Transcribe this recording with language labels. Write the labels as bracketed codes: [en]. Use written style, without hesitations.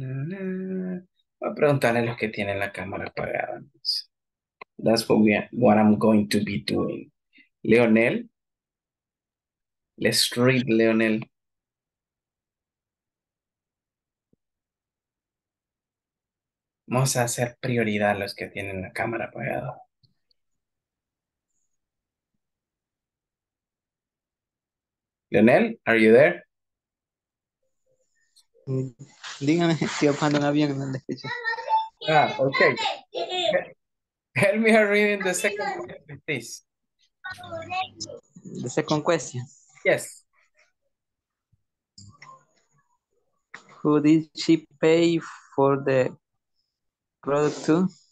[es] Voy a preguntarle a los que tienen la cámara apagada. [en] That's what we what I'm going to be doing. Leonel. Let's read, Leonel. [es] Vamos a hacer prioridad a los que tienen la cámara apagada. [en] Leonel, are you there? [es] Dígame, estoy ocupando un avión, no le escucho. [en] Ah, okay. Help me read in the second question, please. The second question. Yes. Who did she pay for the product to?